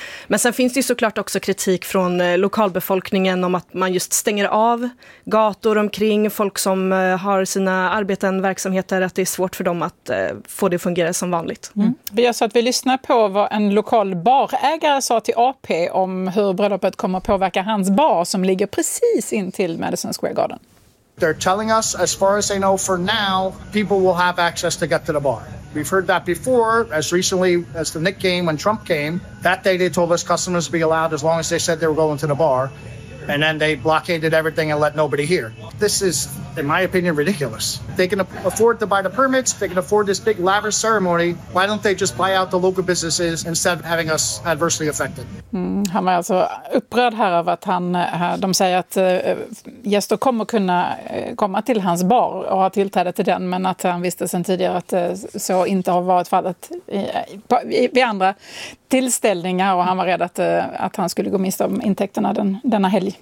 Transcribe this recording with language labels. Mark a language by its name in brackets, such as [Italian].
[Swedish] Men sen finns det ju såklart också kritik från lokalbefolkningen om att man just stänger av gator omkring folk som har sina arbeten, verksamheter, att det är svårt för dem att få det att fungera som vanligt. Mm. Vi har sagt att vi lyssnar på vad en lokal barägare sa till AP om hur bröllopet kommer att påverka hans bar som ligger precis till Madison Square Garden. [English] They're telling us, as far as they know for now, people will have access to get to the bar. We've heard that before, as recently as the Knicks game when Trump came. That day they told us customers would be allowed as long as they said they were going to the bar. And then they blockaded everything and let nobody hear. This is, in my opinion, ridiculous. They can afford to buy the permits. They can afford this big lavish ceremony. Why don't they just buy out the local businesses instead of having us adversely affected? [Swedish] Han är alltså upprörd här av att de säger att gäster kommer kunna komma till hans bar och ha tillträde till den, men att han visste sedan tidigare att så inte har varit fallet vid andra tillställningar, och han var rädd att han skulle gå miste om intäkterna denna helg.